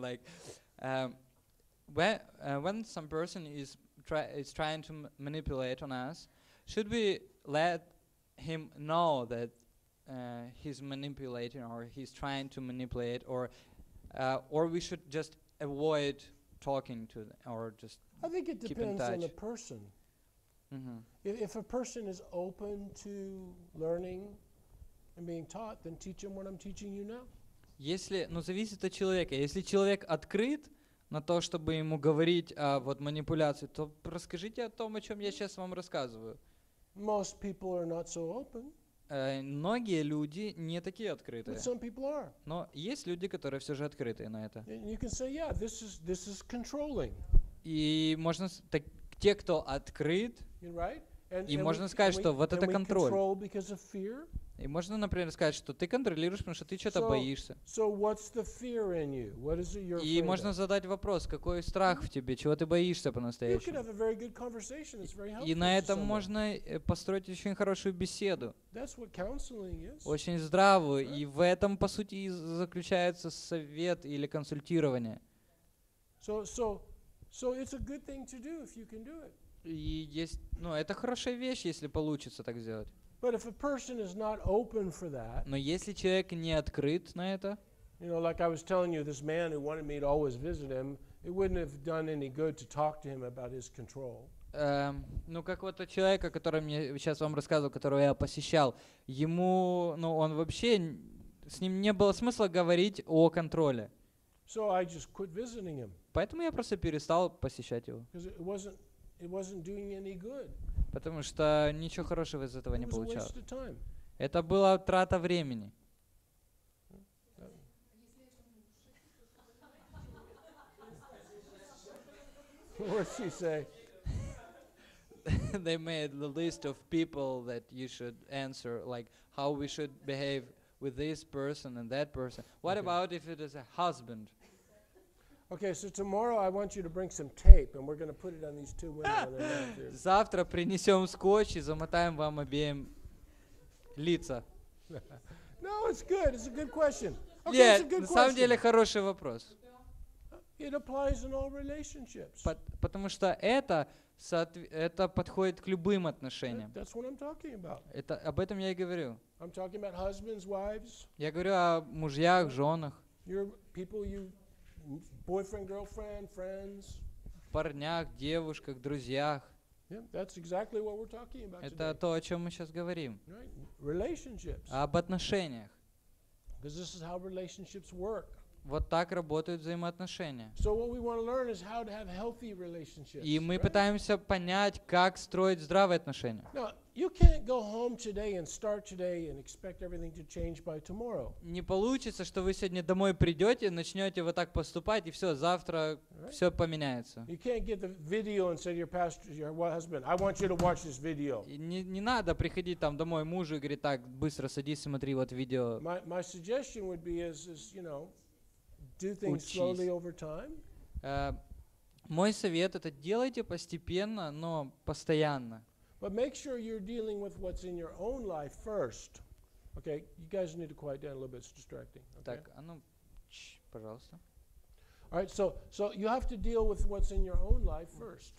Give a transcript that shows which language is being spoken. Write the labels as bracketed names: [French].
[English] Like, when some person is trying to manipulate on us, should we let him know that he's manipulating or he's trying to manipulate, or we should just avoid talking to them or just keep in touch? I think it depends on the person. Mm-hmm. If a person is open to learning and being taught, then teach him what I'm teaching you now. [Russian] Если, ну, зависит от человека. Если человек открыт на то, чтобы ему говорить о вот манипуляции, то расскажите о том, о чем я сейчас вам рассказываю. [English] Most people are not so open. [Russian] Многие люди не такие открытые. [English] But some people are. [Russian] Но есть люди, которые все же открытые на это. [English] And you can say, yeah, this is controlling. [Russian] И можно так, те, кто открыт, [English] right? [Russian] и можно [English] we, [Russian] сказать, что [English] we, [Russian] вот это контроль. [English] Control because of fear? [Russian] И можно, например, сказать, что ты контролируешь, потому что ты что-то боишься. [English] So what's the fear in you? What is it you're afraid [Russian] of? И можно задать вопрос, какой страх в тебе, чего ты боишься по-настоящему. [English] You could have a very good conversation. It's very helpful. [Russian] И на этом можно построить очень хорошую беседу. [English] That's what counseling is. [Russian] Очень здравую. Right. И в этом, по сути, и заключается совет или консультирование. [English] So it's a good thing to do if you can do it. [Russian] И есть, ну, это хорошая вещь, если получится так сделать. [English] But if a person is not open for that, [Russian] но если человек не открыт на это, [English] you know, like I was telling you, this man who wanted me to always visit him, it wouldn't have done any good to talk to him about his control. [Russian] Ну как вот этот человек, который мне сейчас вам рассказывал, которого я посещал, ему, ну он вообще с ним не было смысла говорить о контроле. [English] So I just quit visiting him. [Russian] Поэтому я просто перестал посещать его. [English] Because it wasn't doing any good. [Russian] Потому что ничего хорошего из этого [English] It [Russian] не получалось. Это была трата времени. [English] What'd she say? They made the list of people that you should answer, like how we should behave with this person and that person. What okay. about if it is a husband? Okay, so tomorrow I want you to bring some tape, and we're going to put it on these two women. [Russian] Завтра принесем скотч и замотаем вам обеим лица. [English] No, it's good. It's a good question. Okay, yeah, it's a good question. [Russian] На самом деле хороший вопрос. [English] It applies in all relationships. [Russian] Потому что это подходит к любым отношениям. [English] That's what I'm talking about. [Russian] Это об этом я и говорю. [English] I'm talking about husbands, wives. [Russian] Я говорю о мужьях, женах. [English] Your people, you. Boyfriend, girlfriend, friends. [Russian] Парнях, девушках, друзьях. [English] Yeah, that's exactly what we're talking about. [Russian] Это то, о чем мы сейчас говорим. [English] Right. Relationships. [Russian] Об отношениях. [English] Because this is how relationships work. [Russian] Вот так работают взаимоотношения. [English] So what we want to learn is how to have healthy relationships. [Russian] И мы [English] right? [Russian] пытаемся понять, как строить здравые отношения. [English] No, you can't go home today and start today and expect everything to change by tomorrow. [Russian] Не получится, что вы сегодня домой придете, начнете вот так поступать и все, завтра все поменяется. [English] You can't get the video and say to your pastor, your husband, I want you to watch this video. [Russian] Не надо приходить там домой мужу и говорить так, быстро садись, смотри вот видео. [English] My suggestion would be is you know. Do things slowly over time. [Russian] Мой совет это делайте постепенно, но постоянно. [English] But make sure you're dealing with what's in your own life first. Okay, you guys need to quiet down a little bit. It's distracting. Okay? [Russian] Так, а ну, пожалуйста. [English] All right, so you have to deal with what's in your own life first.